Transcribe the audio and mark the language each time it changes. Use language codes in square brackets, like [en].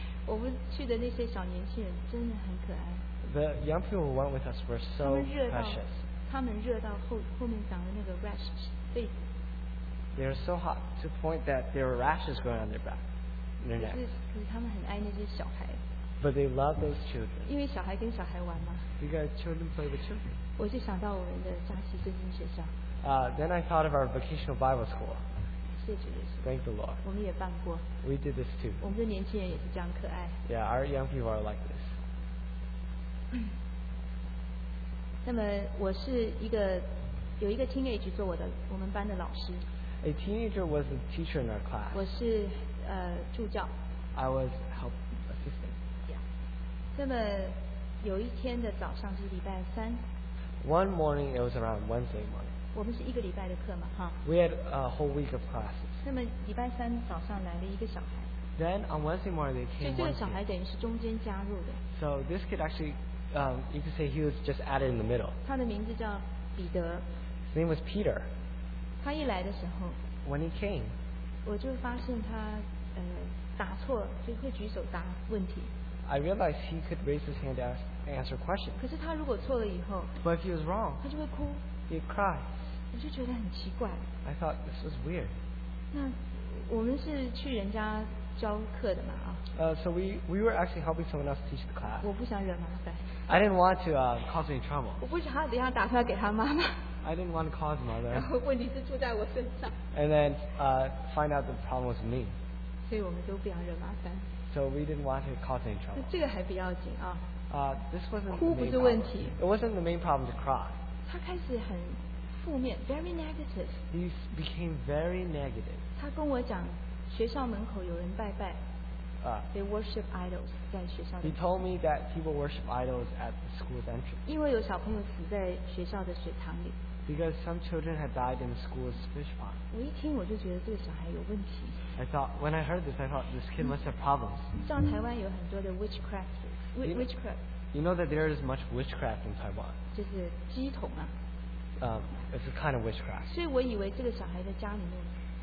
[zh] 我们去的那些小年轻人真的很可爱, [en] the young people who went with us were so [zh] 他们热到, [en] precious. [zh] 他们热到后面长的那个 rash, [en] they were so hot to the point that there were rashes growing on their back. [zh] 可是他们很爱那些小孩, [en] but they love those children. [zh] 因为小孩跟小孩玩嘛, [en] because children play with children. [zh] 我就想到我们的假期圣经学校, [en] then I thought of our vocational Bible school. Thank the Lord. [zh] 我们也办过, [en] we did this too. [zh] 我们的年轻人也是这样可爱, [en] yeah, our young people are like this. [zh] 那么我是一个, teenager 做我的, 我们班的老师, [en] a teenager was a teacher in our class. [zh] 我是, 助教, [en] I was help assistant. Yeah. [zh] 那么有一天的早上是礼拜三, [en] one morning, it was around Wednesday morning. [zh] 我们是一个礼拜的课嘛, huh? [en] We had a whole week of classes. [zh] 那么礼拜三早上来了一个小孩, [en] then on Wednesday morning, they came [zh] 所以这个小孩等于是中间加入的, [en] so this kid actually, you could say he was just added in the middle. [zh] 他的名字叫彼得, [en] his name was Peter. [zh] 他一来的时候, [en] when he came, [zh] 我就发现他, 打错, 就会举手答问题, [en] I realized he could raise his hand to ask, answer questions. [zh] 可是他如果错了以后, [en] but if he was wrong, [zh] 他就会哭, [en] he'd cry. [zh] 我就觉得很奇怪, [en] I thought this was weird. [zh] 那我们是去人家教课的嘛, [en] so we were actually helping someone else teach the class. [zh] 我不想惹麻烦, [en] I didn't want to cause any trouble. [zh] 我不想等一下打算给他妈妈, [en] I didn't want to cause mother. [zh] 然后问题是住在我身上, [en] and then find out the problem was me. [zh] 所以我们都不想惹麻烦, [en] so we didn't want to cause any trouble. [zh] 这个还比较紧, [en] this wasn't [zh] 哭不是问题, [en] it wasn't the main problem to cry. [zh] 他开始很负面, [en] very negative. He became very negative. [zh] 他跟我讲, 学校门口有人拜拜, [en] they worship idols [zh] 在学校的, [en] he told me that people worship idols at the school's entrance. [zh] 因为有小朋友死在学校的水塘里, [en] because some children had died in the school's fish pond. [zh] 我一听我就觉得这个小孩有问题, [en] I thought, when I heard this, I thought this kid must have problems. [zh] 像台湾有很多的 witchcraft, witchcraft, [en] you know that there is much witchcraft in Taiwan. [zh] 就是鸡桶啊, [en] it's a kind of witchcraft. [zh] 所以我以为这个小孩的家里面,